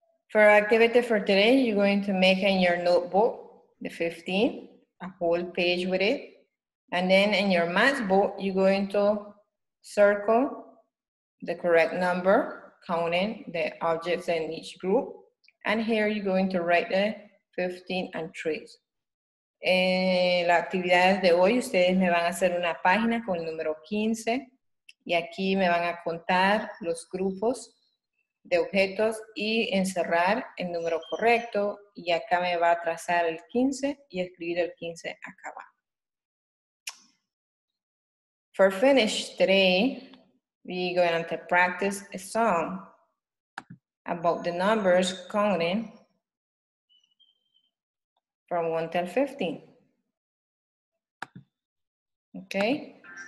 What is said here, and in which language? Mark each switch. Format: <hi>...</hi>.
<en>For activity for today, you're going to make in your notebook, the 15, a whole page with it. And then in your math book, you're going to circle the correct number, counting the objects in each group. And here you're going to write the 15 and trace.</en> <es>En las actividades de hoy, ustedes me van a hacer una página con el número 15. Y aquí me van a contar los grupos de objetos y encerrar el número correcto. Y acá me va a trazar el 15 y escribir el 15 acá abajo.</es> <en>For finish today, we're going to practice a song about the numbers counting from 1 to 15. Okay?</en>